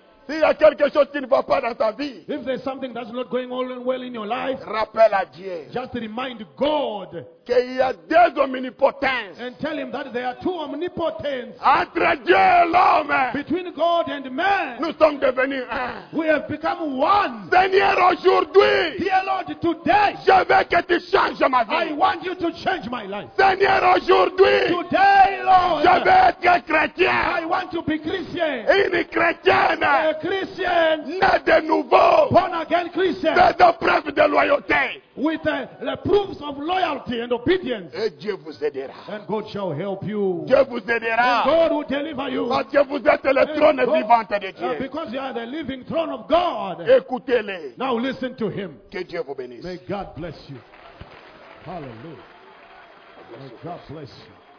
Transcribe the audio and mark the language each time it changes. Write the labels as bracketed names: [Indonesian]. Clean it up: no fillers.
[French] S'il y a quelque chose qui ne va pas dans ta vie, [English] if there's something that's not going on well in your life, [French] rappelle à Dieu. [English] Just remind God [French] qu'il y a deux omnipotences. [English] And tell him that there are two omnipotents. [French] Entre Dieu et l'homme, [English] between God and man, [French] nous sommes devenus un. [English] We have become one. [French] Seigneur, aujourd'hui, [English] dear Lord, today, [French] je veux que tu changes ma vie. [English] I want you to change my life. [French] Seigneur, aujourd'hui, [English] today, Lord, [French] je veux être chrétien. [English] I want to be Christian. [French] Une chrétienne. [English] A Christian, [French] né de nouveau, [English] born again Christian, [French] fait de preuve de loyauté, [English] with the proofs of loyalty and obedience. [French] Et Dieu vous aidera. [English] And God shall help you. [French] Dieu vous aidera. [English] And God will deliver you. [French] Parce que vous êtes le trône vivant de Dieu. [English] Because you are the living throne of God. [French] Écoutez-le. [English] Now listen to him. [French] Que Dieu vous bénisse. [English] May God bless you. Hallelujah. May God bless you.